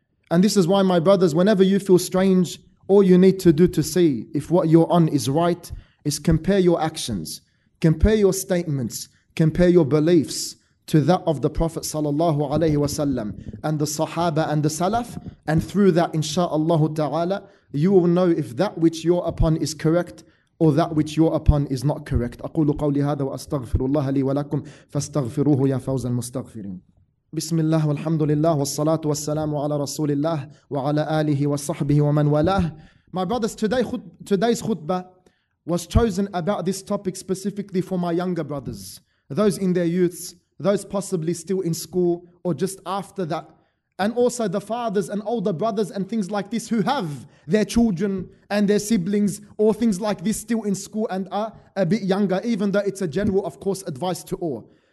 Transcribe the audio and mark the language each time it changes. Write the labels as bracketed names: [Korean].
[English] And this is why, my brothers, whenever you feel strange, all you need to do to see if what you're on is right is compare your actions, compare your statements, compare your beliefs to that of the Prophet sallallahu alayhi wasallam and the Sahaba and the Salaf. And through that, insha'Allah ta'ala, you will know if that which you're upon is correct or that which you're upon is not correct. [Arabic] أقول قولي هذا وأستغفر الله لي ولكم فاستغفروه يا فوز المستغفرين. بسم الله والحمد لله والصلاة والسلام على رسول الله وعلى آله وصحبه ومن والاه. [English] My brothers, today's khutbah was chosen about this topic specifically for my younger brothers. those in their youths, those possibly still in school or just after that, and also the fathers and older brothers and things like this who have their children and their siblings or things like this still in school and are a bit younger, even though it's a general, of course, advice to all.